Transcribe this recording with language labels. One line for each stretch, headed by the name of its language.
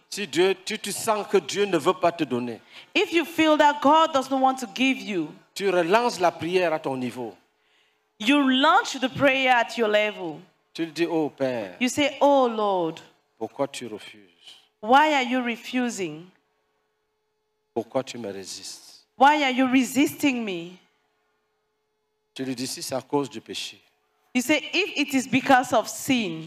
French: Si Dieu, tu sens que Dieu ne veut pas te donner,
English: if you feel that God does not want to give you,
French: tu relances la prière à ton niveau.
English: You launch the prayer at your level.
French: Tu dis, oh Père.
English: You say, oh Lord.
French: Pourquoi tu refuses?
English: Why are you refusing?
French: Pourquoi tu me résistes?
English: Why are you resisting me?
French: Tu lui dis, si c'est à cause du péché.
English: You say, if it is because of sin,